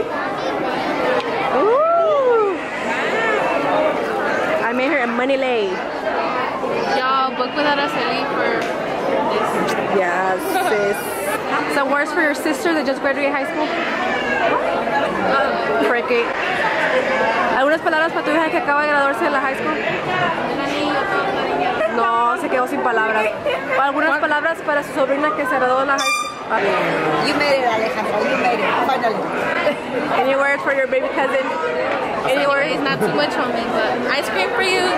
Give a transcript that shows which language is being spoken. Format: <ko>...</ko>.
<en>Ooh! I made her a money lay. Y'all, book with Araceli for this. Yes, sis. Some words for your sister that just graduated high school? Frankie.</en> <es>¿Algunas palabras para tu hija que acaba de graduarse de la high school? No, se quedó sin palabras. Algunas palabras para su sobrina que se graduó de la high school.</es> <en>You made it, Alejandro. You made it. Finally. Any words for your baby cousin? Any words? Not too much, homie, but ice cream for you.</en>